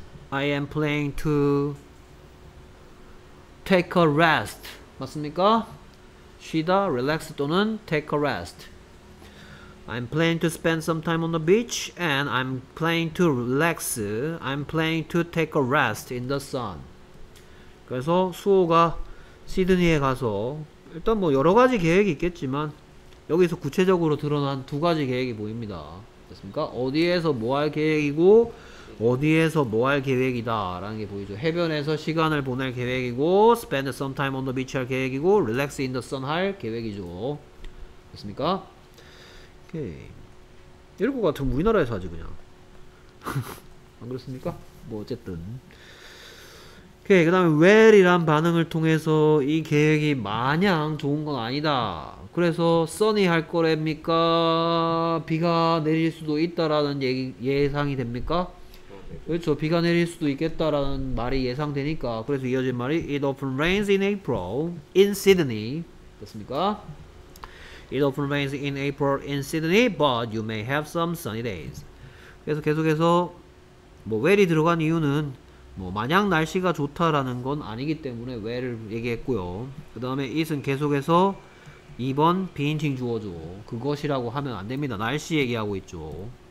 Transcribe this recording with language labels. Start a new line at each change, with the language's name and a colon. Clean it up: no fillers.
English: I am planning to take a rest.
Korean: 맞습니까? 쉬다, relax 또는
English: take a rest. I'm planning to spend some time on the beach and I'm planning to relax. I'm planning to take a rest in the sun.
Korean: 그래서 수호가 시드니에 가서 일단 뭐 여러 가지 계획이 있겠지만 여기서 구체적으로 드러난 두 가지 계획이 보입니다. 됐습니까? 어디에서 뭐 할 계획이고 어디에서 뭐 할 계획이다 라는 게 보이죠. 해변에서 시간을 보낼 계획이고
English: spend some time on the beach
Korean: 할 계획이고
English: relax in the sun
Korean: 할 계획이죠. 됐습니까? 오케이. 이럴 것 같으면 우리나라에서 하지 그냥. 안 그렇습니까? 뭐 어쨌든 오케이. 그 다음에 well이란 반응을 통해서 이 계획이 마냥 좋은 건 아니다. 그래서 sunny 할 거랍니까? 비가 내릴 수도 있다라는 예상이 됩니까? 그렇죠. 비가 내릴 수도 있겠다라는 말이 예상되니까 그래서 이어진 말이
English: It often rains in April in Sydney.
Korean: 됐습니까?
English: It often rains in April in Sydney but you may have some sunny days.
Korean: 그래서 계속해서 뭐 well이 들어간 이유는 뭐 마냥 날씨가 좋다라는 건 아니기 때문에 well을 얘기했고요. 그 다음에 it은 계속해서 2번 비인칭 주어죠. 그것이라고 하면 안 됩니다. 날씨 얘기하고 있죠.